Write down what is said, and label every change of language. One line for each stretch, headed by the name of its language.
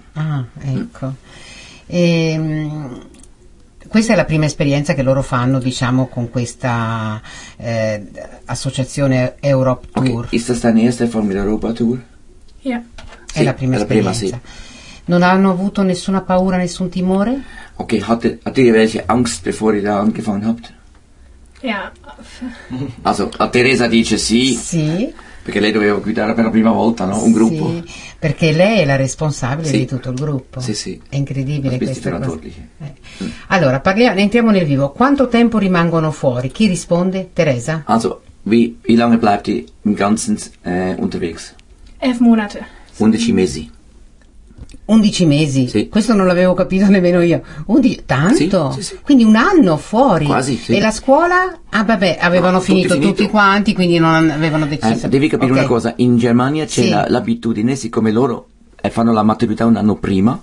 Italian: Ah, ecco. Questa è la prima esperienza che loro fanno, diciamo, con questa associazione Europe Tour. Okay. Questa è la prima Europa Tour? Yeah. Sì, è la prima esperienza. Sì. Non hanno avuto nessuna paura, nessun timore?
German: Ok, hattet ihr welche Angst, bevor ihr da angefangen habt? Ja.
Italian: Also, a Teresa dice sì. Sì. Perché lei doveva guidare per la prima volta, no? Un gruppo. Sì, perché lei è la responsabile, sì, di tutto il gruppo. Sì, sì. È incredibile questa cosa. Allora, entriamo nel vivo. Quanto tempo rimangono fuori? Chi risponde? Teresa?
German: Also, wie lange bleibt ihr im Ganzen unterwegs? 11 Monate.
Italian: 11 mesi. 11 mesi, sì. Questo non l'avevo capito nemmeno io. Tanto? Sì, sì, sì. Quindi un anno fuori. Quasi, sì. E la scuola? Ah, vabbè, avevano finito tutti quanti, quindi non avevano deciso. Devi capire, okay, una cosa, in Germania c'è, sì, l'abitudine, siccome loro fanno la maturità un anno prima,